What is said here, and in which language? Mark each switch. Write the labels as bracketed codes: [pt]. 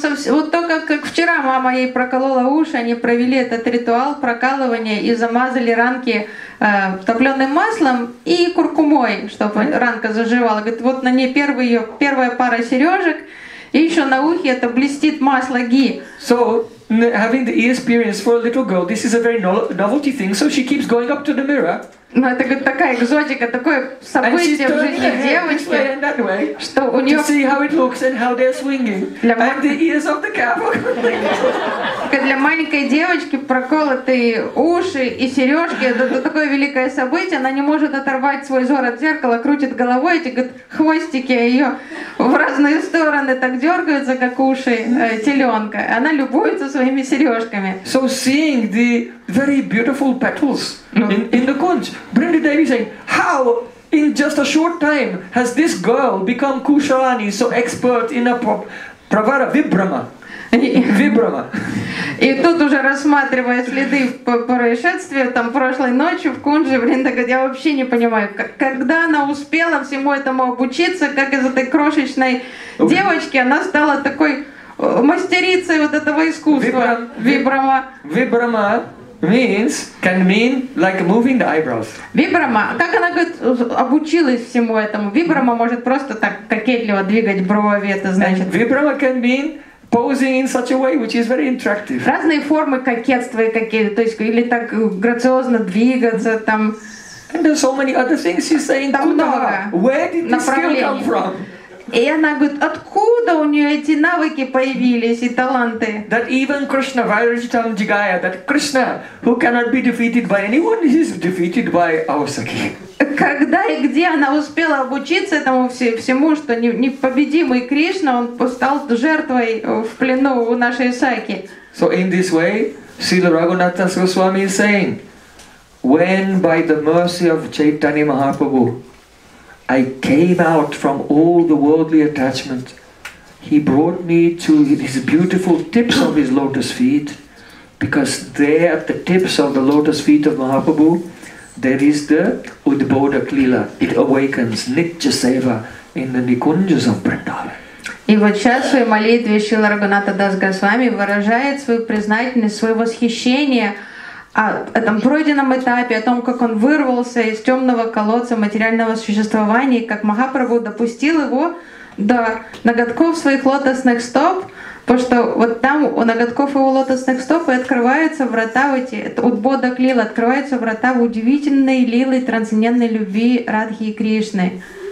[ru] Вот только как вчера мама ей проколола уши, они провели этот ритуал прокалывания и замазали ранки топленым маслом и куркумой, чтобы ранка заживала. Говорит, вот на ней первая пара сережек, и еще на ухе это блестит масло ги. [en] So, having the ear experience for a little girl, this is a very novelty thing, so she keeps going up to the mirror. [ru] Ну, это говорит, такая экзотика, такое событие в жизни девочки, что у нее... [en] To see how it looks and how they're swinging. And the ears of the cow. [ru] Для маленькой девочки проколотые уши и сережки, это такое великое событие, она не может оторвать свой взор от зеркала, крутит головой, эти хвостики ее в разные стороны так дергаются, как уши теленка. Она любуется своими сережками. [en] So seeing the very beautiful petals in the kunj, Бринда Деви saying, how in just a short time has this girl become Kushalani, so expert in a pravara vibrama? [sa] Vibrama. [ru] И тут уже рассматривая следы по происшествию там прошлой ночью в кунже, Бринда говорит, я вообще не понимаю, когда она успела всему этому обучиться, как из этой крошечной девочки она стала такой мастерицей вот этого искусства. [sa] Vibrama. [en] Vibrama. Can mean like moving the eyebrows. [ru] Vibrama, как она говорит, обучилась всему этому. Vibrama может просто так кокетливо двигать брови, это значит. [en] Vibrama can mean posing in such a way, which is very attractive. [ru] Разные формы кокетства и какие, то есть или так грациозно двигаться там. [en] And there's so many other things she's saying. [ru] Там много. [en] Where did this skill come from? [ru] И она говорит, откуда у нее эти навыки появились и таланты? [en] That even Krishna, [sa] Vairajitam Jigaya, [en] that Krishna, who cannot be defeated by anyone, is defeated by Avasaki. [ru] Когда и где она успела обучиться этому всему, что непобедимый Кришна, он стал жертвой в плену у нашей Саки. [en] So in this way, Srila Raghunatha Goswami is saying, when by the mercy of Chaitanya Mahaprabhu, I came out from all the worldly attachments, he brought me to his beautiful tips of his lotus feet, because there at the tips of the lotus feet of Mahaprabhu, there is the Udbodak Lila. It awakens Nitya Seva in the Nikunjas of Vrindavan. [ru] И вот сейчас в своей молитве Шрила Рагхунатха Дас Госвами выражает свою признательность, свое восхищение о этом пройденном этапе, о том, как он вырвался из темного колодца материального существования, как Махапрабху допустил его до ноготков своих лотосных стоп, потому что вот там у ноготков его лотосных стоп и открываются врата в эти, это Удбодак Лила, открываются врата в удивительной лилы трансцендентной любви Радхи и Кришны.